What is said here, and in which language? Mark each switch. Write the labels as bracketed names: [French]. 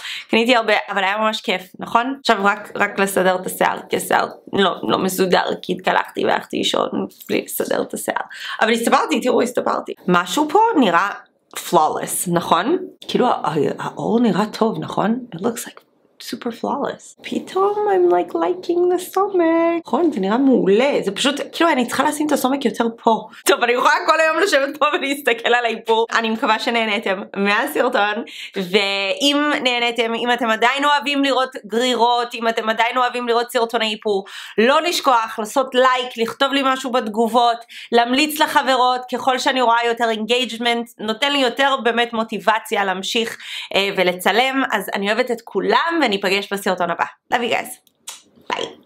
[Hebrew] קניתי הרבה, אבל היה ממש כיף, נכון? עכשיו רק לסדר את השיער, כי השיער לא מסודר, כי התקלחתי והלכתי לישון בלי לסדר את השיער. אבל הסתברתי, תראו, הסתברתי. משהו פה נראה flawless, נכון? כאילו האור נראה טוב, נכון? [English] It looks like super flawless. פתאום I'm like liking the סומק. [Hebrew] נכון, זה נראה מעולה. זה פשוט, כאילו אני צריכה לשים את הסומק יותר פה. טוב, אני יכולה כל היום לשבת פה ולהסתכל על האיפור. אני מקווה שנהנתם מהסרטון, ואם נהנתם, אם אתם עדיין אוהבים לראות גרירות, אם אתם עדיין אוהבים לראות סרטוני איפור, לא לשכוח לעשות לייק, לכתוב לי משהו בתגובות, להמליץ לחברות, ככל שאני רואה יותר engagement, נותן לי יותר באמת מוטיבציה להמשיך ולצלם, אז אני אוהבת את כולם, וניפגש בסרטון הבא. [English] Love you guys. Bye.